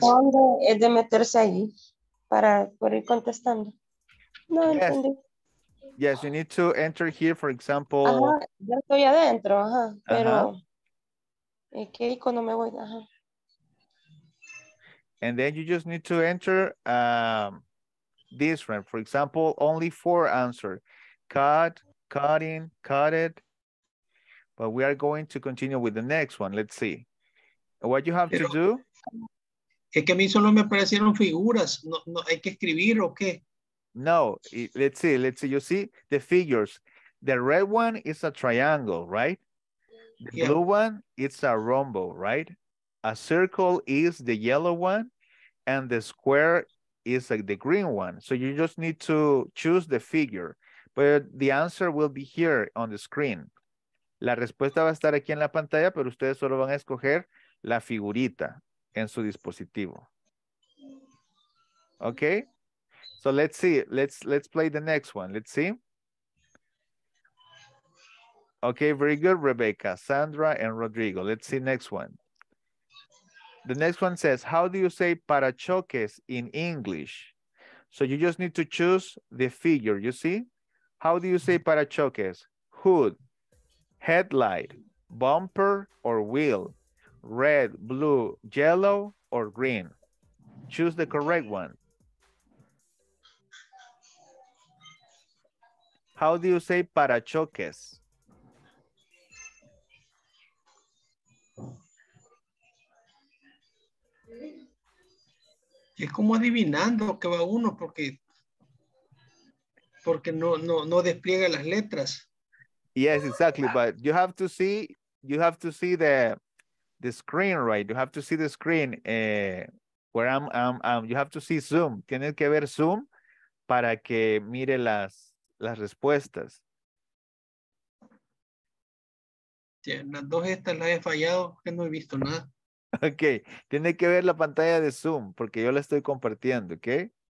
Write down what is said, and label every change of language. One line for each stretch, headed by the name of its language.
Spanish: ¿Dónde es de meterse ahí para por ir contestando? No, yes. Entendí.
English: Yes, you need to enter here, for example.
Spanish: Ajá, ya estoy adentro, ajá. Pero, ajá. ¿Qué icono me voy? Ajá.
English: And then you just need to enter this one. For example, only four answer. Cut, cutting, cut it. But we are going to continue with the next one. Let's see. What you have to do?
Spanish: Es que a mí solo me aparecieron figuras. No, hay que escribir o qué?
English: No, let's see. You see the figures. The red one is a triangle, right? The blue one, it's a rhombo, right? A circle is the yellow one, and the square is the green one. So you just need to choose the figure. But the answer will be here on the screen.
Spanish: La respuesta va a estar aquí en la pantalla, pero ustedes solo van a escoger la figurita en su dispositivo.
English: Okay? So let's see, let's play the next one. Let's see. Okay, very good, Rebecca, Sandra, and Rodrigo. Let's see next one. The next one says, how do you say parachoques in English? So you just need to choose the figure, you see? How do you say parachoques? Hood, headlight, bumper, or wheel? Red, blue, yellow, or green? Choose the correct one. How do you say parachoques?
Spanish: Es como adivinando que va uno porque no despliega las letras.
English: Yes, exactly, but you have to see the screen, right? You have to see the screen where I'm you have to see Zoom.
Spanish: Tienes que ver Zoom para que mire las respuestas. Las dos estas las he fallado, que no he visto nada. Ok, tiene que ver la pantalla de Zoom, porque yo la estoy compartiendo, ok?